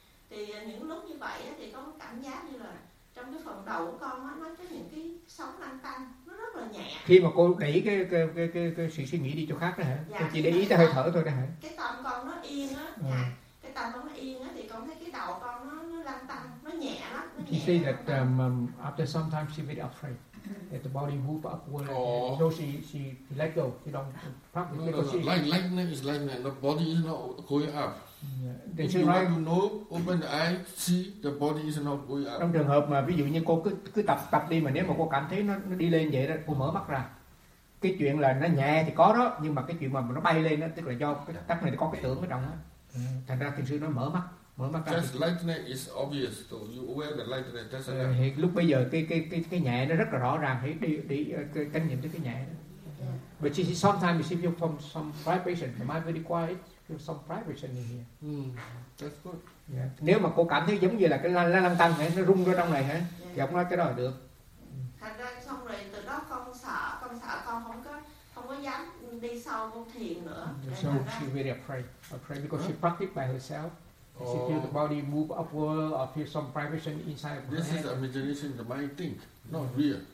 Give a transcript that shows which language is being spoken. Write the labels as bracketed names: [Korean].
[Vietnamese] Thì những lúc như vậy á, thì con có cảm giác như là trong cái phần đầu của con á, nó có những cái sóng lăn tăn, nó rất là nhẹ. Khi mà cô đẩy cái sự suy nghĩ đi chỗ khác đó hả? Dạ, cô chỉ để ý tới hơi thở thôi đó hả? Cái tâm con nó yên á, cái tâm con nó yên á, thì con thấy cái đầu con nó lăn tăn, nó nhẹ lắm. [English] You see that after some time she's a bit afraid that the body move upward, so she let go, you know, lightning is lightning, the body is not going up. Yeah. If you want to know, open the eye, see the body is not going up. [Vietnamese] Trong trường hợp mà ví dụ như cô cứ tập đi, mà nếu mà cô cảm thấy nó đi lên vậy đó, cô mở mắt ra. Cái chuyện là nó nhẹ thì có đó, nhưng mà cái chuyện mà nó bay lên đó, tức là do cái tắc này có cái tưởng ở trong đó. Thành ra thiền sư nói mở mắt ra. [English] Just lightning is obvious, so you aware that lightning is just enough. [Vietnamese] Lúc bây giờ cái nhẹ nó rất là rõ ràng, thì đi kinh nghiệm tới cái nhẹ đó. [English] But she, sometimes she feel from some vibration, the mind very quiet, feel some vibration in here. That's good. Yeah. [Vietnamese] Nếu mà cô cảm thấy giống như là cái lăng tăng hả, nó rung ra trong này hả, thì không nói cái đó là được. Thành ra xong rồi từ đó con sợ con không có dám đi sâu vô thiền nữa. [English] So she very afraid because she practiced by herself. She feel the body move upward or feel some vibration inside of her head. This is imagination, the mind think, not real.